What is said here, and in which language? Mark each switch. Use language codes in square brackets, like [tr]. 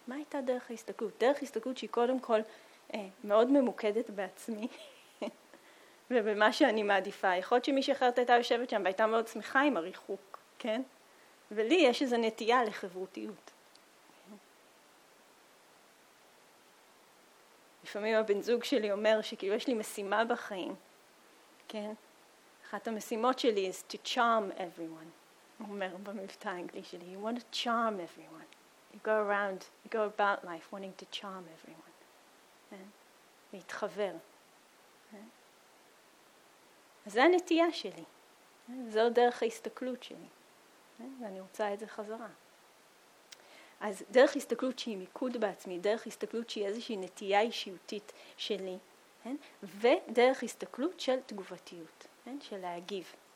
[he] מה הייתה דרך ההסתכלות? דרך ההסתכלות שהיא קודם כל מאוד ממוקדת בעצמי, ובמה שאני מעדיפה. יכול להיות שמישהי אחרת הייתה יושבת שם, והייתה מאוד שמחה עם הריחוק, כן? ולי יש איזו נטייה לחברותיות. לפעמים הבן זוג שלי אומר שכאילו יש לי משימה בחיים, כן? אחת המשימות שלי [en] is to charm everyone. [he] הוא אומר במבטא האנגלי שלי, [en] you want to charm everyone. You go around, you go about life wanting to charm everyone. [he] כן? להתחבר. זה הנטייה שלי, זו דרך ההסתכלות שלי, ואני רוצה את זה חזרה. אז דרך הסתכלות שהיא מיקוד בעצמי, דרך הסתכלות שהיא איזושהי נטייה אישיותית שלי, ודרך הסתכלות של תגובתיות, של להגיב.